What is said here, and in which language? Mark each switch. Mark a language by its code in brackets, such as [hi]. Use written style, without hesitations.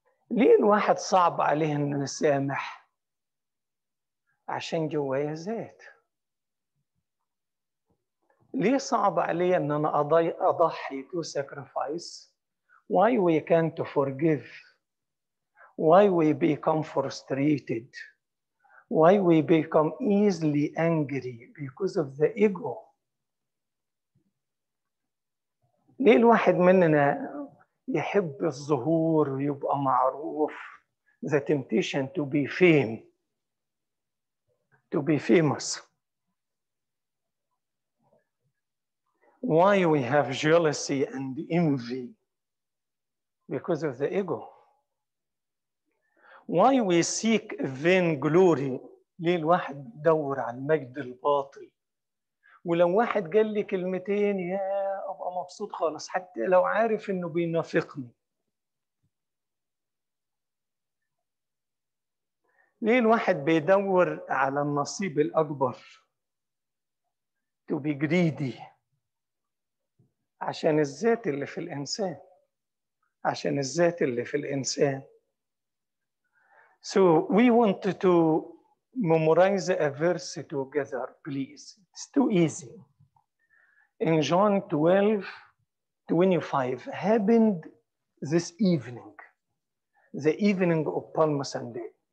[ar] ليه الواحد صعب عليه إنه يسامح؟ عشان جوايا ذات. ليه صعب علي إن أنا أضحي [en] to sacrifice؟ Why we can't forgive? Why we become frustrated? Why we become easily angry? Because of the ego. [ar] ليه الواحد مننا يحب الظهور ويبقى معروف؟ [en] The temptation to be famous. To be famous. Why we have jealousy and envy? Because of the ego. Why we seek vain glory? [ar] ليه الواحد بدور على المجد الباطل؟ ولو واحد قال لي كلمتين يا أبقى مبسوط خالص، حتى لو عارف إنه بينافقني. ليه الواحد بيدور على النصيب الأكبر؟ تبقى جريدي عشان الذات اللي في الإنسان، عشان الذات اللي في الإنسان. [en] So we want to memorize a verse together, please. It's too easy. In John 12:25, happened this evening, the evening of Palm Sunday.